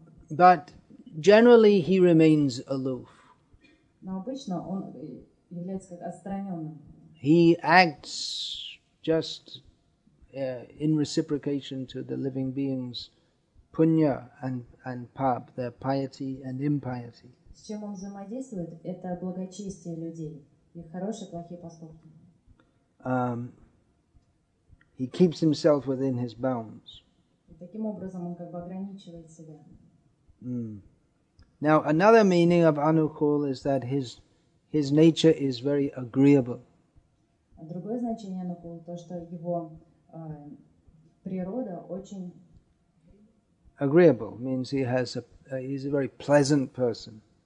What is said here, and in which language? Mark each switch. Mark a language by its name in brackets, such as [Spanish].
[English] But generally he remains aloof. [Russian] Но обычно он является как отстраненным. [English] He acts just in reciprocation to the living beings, punya and pap, their piety and impiety. [Russian] С чем он взаимодействует? Это благочестие людей, их хорошие и плохие поступки. [English] He keeps himself within his bounds. [Russian] Таким образом, он как бы ограничивает себя. [English] Now, another meaning of anukul is that his nature is very agreeable. [Russian] А другое значение anukul то, что его природа очень [English] agreeable means he has he's a very pleasant person.